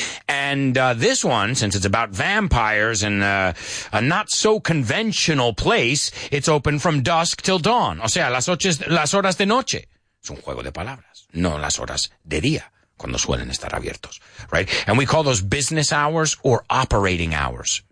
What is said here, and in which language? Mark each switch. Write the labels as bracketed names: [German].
[English] And this one, since it's about vampires in a not-so-conventional place, it's open from dusk till dawn. [Spanish] O sea, las horas de noche. Es un juego de palabras. No las horas de día, cuando suelen estar abiertos. [English] Right? And we call those business hours or operating hours.